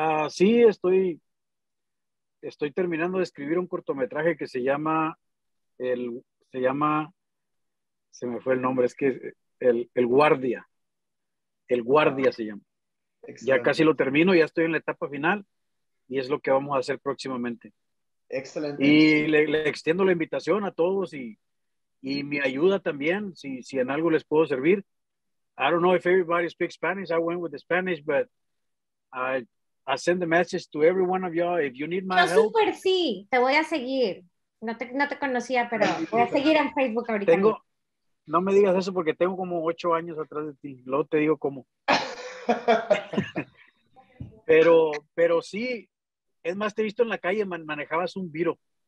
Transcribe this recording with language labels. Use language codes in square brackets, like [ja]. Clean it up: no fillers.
[es] Sí, estoy terminando de escribir un cortometraje que se llama El Guardia se llama. Excelente. Ya casi lo termino, ya estoy en la etapa final y es lo que vamos a hacer próximamente. Excelente. Y le extiendo la invitación a todos y mi ayuda también, si en algo les puedo servir. [en] I don't know if everybody speaks Spanish. I went with the Spanish, but I send a message to every one of y'all if you need my help. [es] Yo super sí, te voy a seguir. No te conocía, pero voy a seguir en Facebook ahorita. Tengo, no me digas eso porque tengo como 8 años atrás de ti. Luego te digo cómo. pero sí, es más, te he visto en la calle, manejabas un Viro.